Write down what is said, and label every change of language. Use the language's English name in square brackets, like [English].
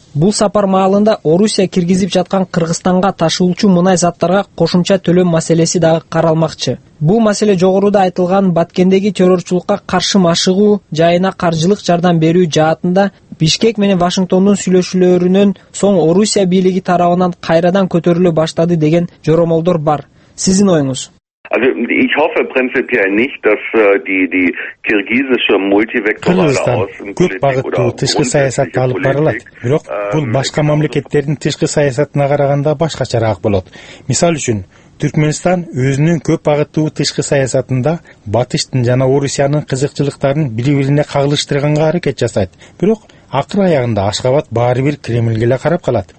[Kyrgyz] Бул сапар маалында Орусия киргизип жаткан Кыргызстанга ташуулчу мунай заттарга кошумча төлөм маселеси дагы каралмакчы. Бул маселе жогоруда айтылган Баткендеги террорчулукка каршы машыгуу жайына каржылык жардам берүү жаатында Бишкек менен Вашингтондун сүйлөшүүлөрүнөн соң Орусия бийлиги тарабынан кайрадан көтөрүлө баштады деген жоромолдор бар. Сиздин оюңуз? [German] Also ich hoffe prinzipiell nicht, dass die kirgisische multivektorale Außenpolitik [Kyrgyz] тышкы саясатты алып баралат. Бирок бул башка мамлекеттердин тышкы саясатына караганда башкачараак болот. Мисал үчүн Түркмөнстан өзүнүн көп багыттуу тышкы саясатында батыштын жана Орусиянын кызыкчылыктарын бири-бирине кагылыштырганга аракет жасайт. Бирок акыр аягында Ашхабад баары бир Кремльге эле карап калат.